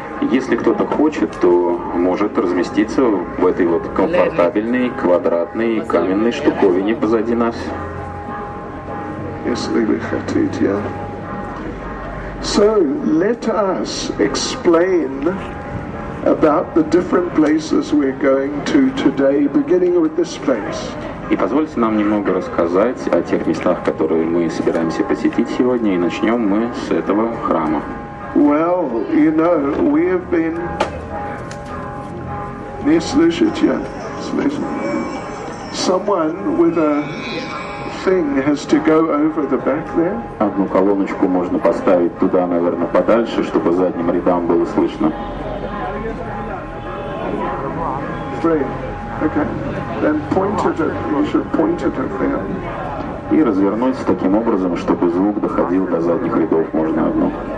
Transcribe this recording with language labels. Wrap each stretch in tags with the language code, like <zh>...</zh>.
<ru>Если кто-то хочет, то может разместиться в этой вот комфортабельной, квадратной, каменной штуковине позади нас. Если вы хотите.</ru> <en>So, let us explain about the different places we're going to today, beginning with this place.</en> <ru>И позвольте нам немного рассказать о тех местах, которые мы собираемся посетить сегодня, и начнем мы с этого храма.</ru> <en>Well, you know, we have been...</en> <ru>Не слышите?</ru> <en>Someone with a thing has to go over the back there.</en> <ru>Одну колоночку можно поставить туда, наверное, подальше, чтобы задним рядам было слышно.</ru> <en>Three. Okay. Then point it, you should point it there.</en> <ru>И развернуть таким образом, чтобы звук доходил до задних рядов, можно одну.</ru>